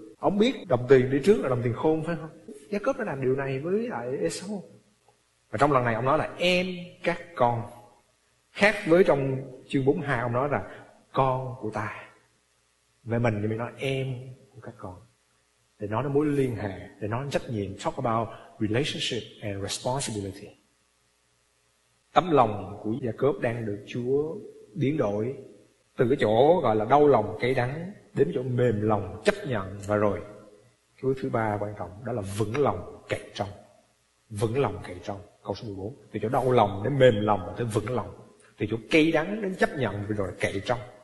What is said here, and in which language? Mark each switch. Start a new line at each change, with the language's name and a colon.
Vietnamese: Ông biết đồng tiền đi trước là đồng tiền khôn, phải không? Gia-cốp đã làm điều này với lại Ê-sâu. Và trong lần này ông nói là em các con. Khác với trong chương 42 ông nói là con của ta. Về mình thì mình nói em của các con. Để nói đến mối liên hệ, để nói đến trách nhiệm.
English: Talk about relationship and responsibility.
Vietnamese: Tấm lòng của Gia-cốp đang được Chúa biến đổi từ cái chỗ gọi là đau lòng cay đắng đến chỗ mềm lòng chấp nhận. Và rồi cái thứ ba quan trọng đó là vững lòng cậy trông. Vững lòng cậy trông, câu số 14. Từ chỗ đau lòng đến mềm lòng tới vững lòng, từ chỗ cay đắng đến chấp nhận, rồi cậy trông.